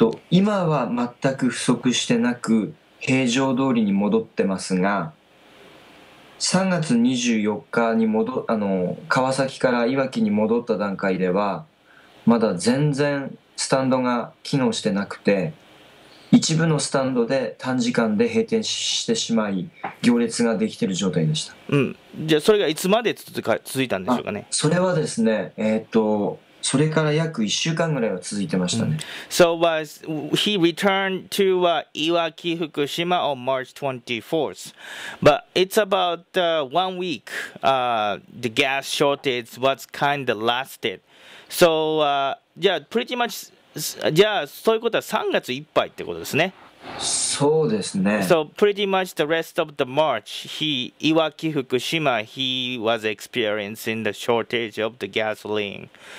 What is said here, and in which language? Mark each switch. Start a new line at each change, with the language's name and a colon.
Japanese: 今は全く不足してなく、平常通りに戻ってますが、3月24日に戻、川崎からいわきに戻った段階では、まだ全然スタンドが機能してなくて、一部のスタンドで短時間で閉店してしまい、行列ができている状態でした。うん、じゃあそれがいつまで続いたんでしょうかね。それはですね、それから約1週間ぐらいは続いてましたね。うん、
English: So was he returned to Iwaki, Fukushima on March 24th, but it's about one week. The gas shortage was kind of lasted. So pretty much.
Japanese: じゃあそういうことは3月いっぱいってことですね。そうですね。
English: So pretty much the rest of the March, Iwaki, Fukushima, he was experiencing the shortage of the gasoline.